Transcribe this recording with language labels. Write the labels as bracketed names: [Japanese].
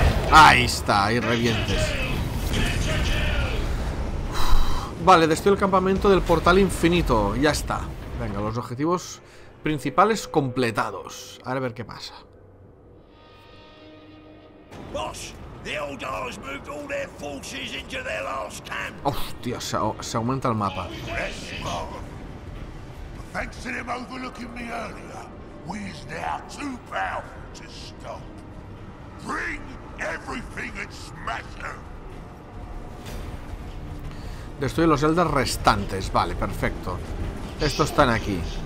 [Spanish] Ahí está, ahí revientes. Vale, destruyo el campamento del portal infinito. Ya está. Venga, los objetivos principales completados. Ahora a ver qué pasa. [English] Boss, the Eldar has moved all their forces into their last camp. [Spanish] Hostia, se aumenta el mapa. [English] Yes, thanks to them overlooking me earlier, we is now too powerful to stop. Bring everything and smash them. [Spanish] Destruye los Eldar restantes. Vale, perfecto. Estos están aquí.